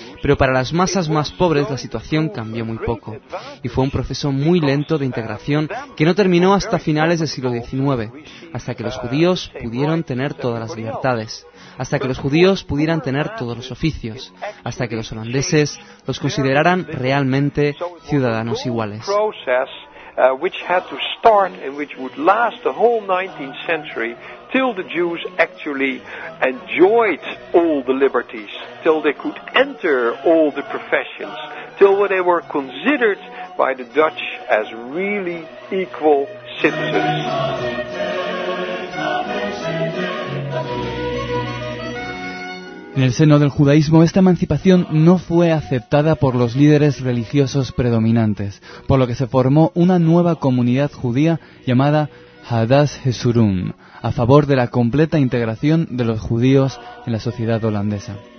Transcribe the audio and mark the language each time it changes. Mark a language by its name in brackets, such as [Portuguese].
[Spanish] Pero para las masas más pobres, la situación cambió muy poco. Y fue un proceso muy lento de integración que no terminó hasta finales del siglo XIX, hasta que los judíos pudieron tener todas las libertades, hasta que los judíos pudieran tener todos los oficios, hasta que los holandeses los consideraran realmente ciudadanos iguales. [English] Which had to start and which would last the whole 19th century till the Jews actually enjoyed all the liberties, till they could enter all the professions, till they were considered by the Dutch as really equal citizens. [Spanish] En el seno del judaísmo, esta emancipación no fue aceptada por los líderes religiosos predominantes, por lo que se formó una nueva comunidad judía llamada Hadas Jeshurun, a favor de la completa integración de los judíos en la sociedad holandesa.